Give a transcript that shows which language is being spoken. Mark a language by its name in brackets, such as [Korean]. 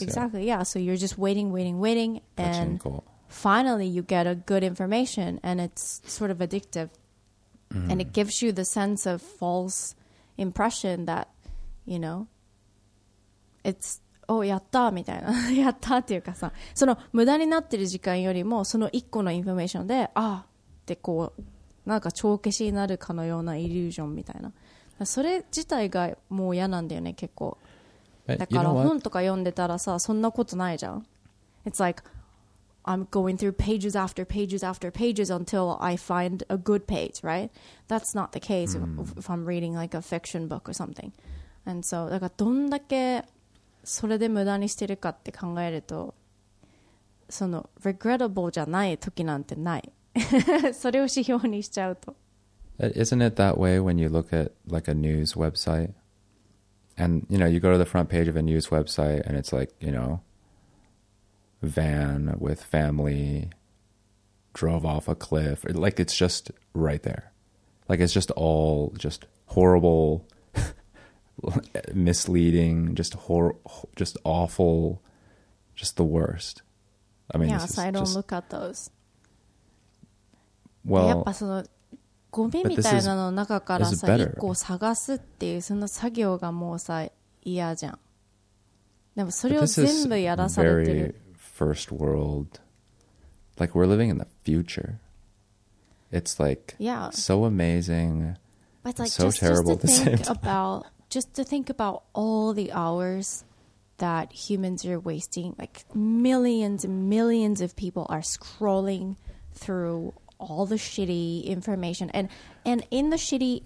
[English] yeah exactly yeah. Yeah so you're just waiting that's and cool. Finally, you get a good information and it's sort of addictive and it gives you the sense of false impression that, you know, it's, oh, [Japanese] やったみたいな。やったっていうかさ、その無駄になってる時間よりもその一個のインフォメーションで、ああってこう、なんか帳消しになるかのようなイリュージョンみたいな。それ自体がもう嫌なんだよね、結構。だから本とか読んでたらさ、そんなことないじゃん。 [English] It's like, I'm going through pages after pages after pages until I find a good page, right? That's not the case if I'm reading like a fiction book or something. And so, [Japanese] だからどんだけそれで無駄にしてるかって考えると、その regrettable じゃない時なんてない。それを指標にしちゃうと。 [English] Isn't it that way when you look at like a news website? And, you know, you go to the front page of a news website and it's like, you know,van with family drove off a cliff, like it's just right there, like it's just all just horrible misleading, just awful, just the worst. I mean, yes, I don't just, look at those. Well, [Japanese] やっぱそのゴミみたいなの中からさ一個探すっていうその作業がもうさ嫌じゃん。でもそれを全部やらされてる。 [English] First world, like we're living in the future. It's like, yeah, so amazing, but like so terrible just to the think same time. About just to think about all the hours that humans are wasting, like millions and millions of people are scrolling through all the shitty information, and in the shitty,